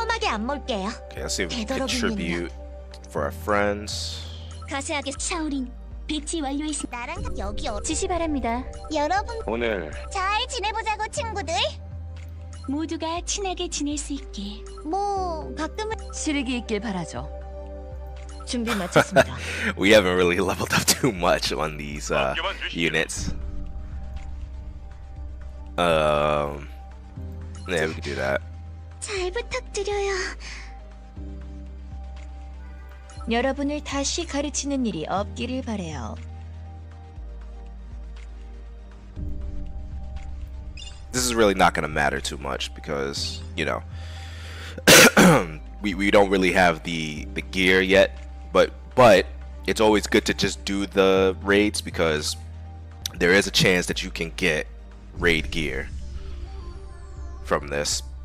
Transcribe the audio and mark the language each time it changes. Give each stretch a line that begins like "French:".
English: Okay, let's see if we can contribute for our friends.
Korean: 가세하게 샤오린 빛이 완료했습니다. 나랑 여기 어디 지시 바랍니다. 여러분 오늘 잘 지내보자고 친구들. 모두가 친하게 지낼 수 있게. 뭐 가끔은 실력이 있길 바라죠. 준비 마쳤습니다.
English: We haven't really leveled up too much on these units. Yeah, we can do that.
Korean: 잘 부탁드려요. 여러분을 다시 가르치는 일이 없기를 바래요.
English: 'This is really not going to matter too much because, you know, we don't really have the gear yet, but it's always good to just do the raids because there is a chance that you can get raid gear from this.